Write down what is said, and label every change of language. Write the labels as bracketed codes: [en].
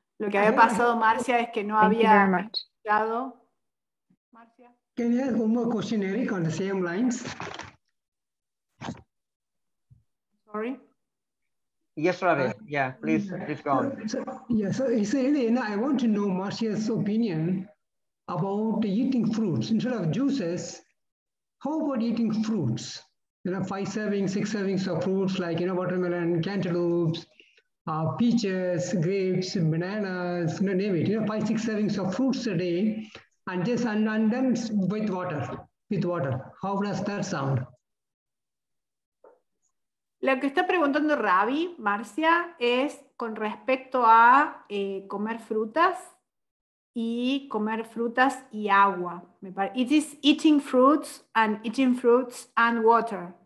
[es] Lo que había pasado, Marcia, es que no había escuchado. Marcia. [en] Can you ask one more question, Eric, on the same lines? Sorry? Yes, Ravi. Yeah, please go on. I want to know Marcia's opinion about eating fruits instead of juices. How about eating fruits? You know, 5 servings, 6 servings of fruits, like, you know, watermelon, cantaloupes, peaches, grapes, bananas, you know, name it. You know, 5, 6 servings of fruits a day, and just and then with water. With water. How does that sound? [es] Lo que está preguntando Ravi, Marcia, es con respecto a comer frutas. Y comer frutas y agua. [en] It is eating fruits and water.